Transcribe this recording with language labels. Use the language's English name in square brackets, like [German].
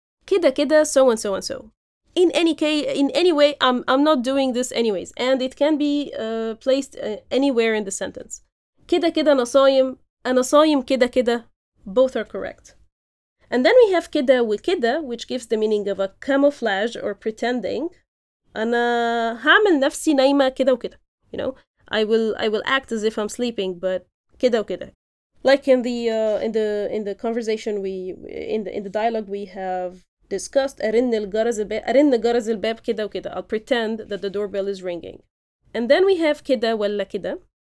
[Arabic] كده كده [English] so and so and so. In any case, in any way, I'm not doing this anyways. And it can be placed anywhere in the sentence. [Arabic] كده كده نصايم. أنا صايم كده كده. [English] Both are correct. And then we have [Arabic] كده وكده, [English] which gives the meaning of a camouflage or pretending. [Arabic] أنا هعمل نفسي نايمة كده وكده. [English] You know, I will act as if I'm sleeping, but [Arabic] كده وكده. [English] Like in the conversation in the dialogue we have discussed, [Arabic] أرن الجرس الباب كده وكده. [English] I'll pretend that the doorbell is ringing. And then we have [Arabic] كده ولا كده.